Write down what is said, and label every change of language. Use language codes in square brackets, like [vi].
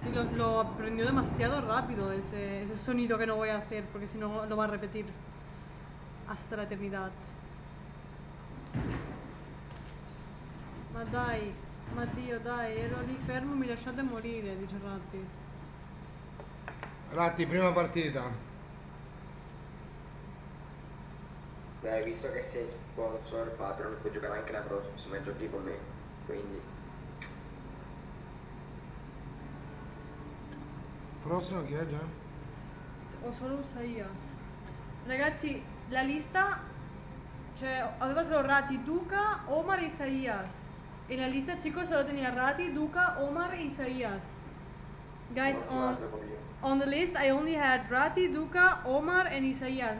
[es] Sí, lo aprendió demasiado rápido ese sonido que no voy a hacer, porque si no lo va a repetir hasta la eternidad. [it] Ma dai. Ma Dio, dai, ero lì fermo, mi lasciate morire, dice Ratti. Ratti, prima partita. Beh, visto che sei sponsor, patron, puoi giocare anche la prossima giochi con me, quindi... Prossimo chi è già? Ho solo Usaias. Ragazzi, la lista... Cioè, aveva solo Ratti, Duca, Omar e Usaias. [es] E la lista, chicos, solo tenía Rati, Duca, Omar e Isaías. [it] Non [en] Guys, [it] si mangia con io. [en] on the list I only had Rati, Duca, Omar and Isaías.